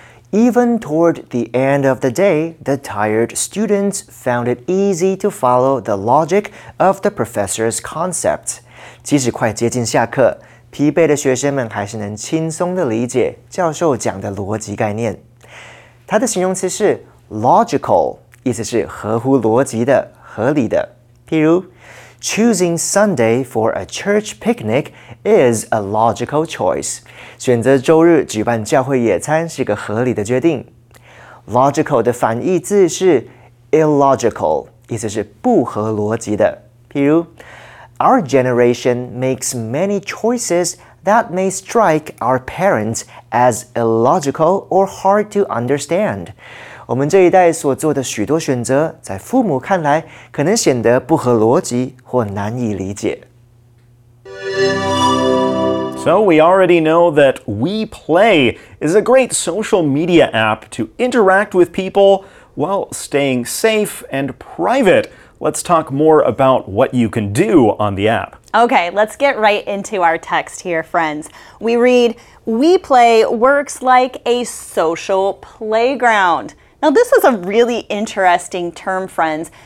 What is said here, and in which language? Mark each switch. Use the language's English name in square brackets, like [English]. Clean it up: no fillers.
[English] Even toward the end of the day, the tired students found it easy to follow the logic of the professor's concept. [Chinese] 即使快接近下课，疲惫的学生们还是能轻松地理解教授讲的逻辑概念。它的形容词是 logical， 意思是合乎逻辑的、合理的。譬如 [English] Choosing Sunday for a church picnic is a logical choice. [Chinese] 选择周日举办教会野餐是个合理的决定。 Logical 的反义字是 illogical, 意思是不合逻辑的。譬如 [English] Our generation makes many choices that may strike our parents as illogical or hard to understand. [Chinese] 我们这一代所做的许多选择在父母看来可能显得不合逻辑或难以理解。 [English] So we already know that WePlay is a great social media app to interact with people while staying safe and private. Let's talk more about what you can do on the app. Okay, let's get right into our text here, friends. We read, WePlay works like a social playground.Now, this is a really interesting term, friends.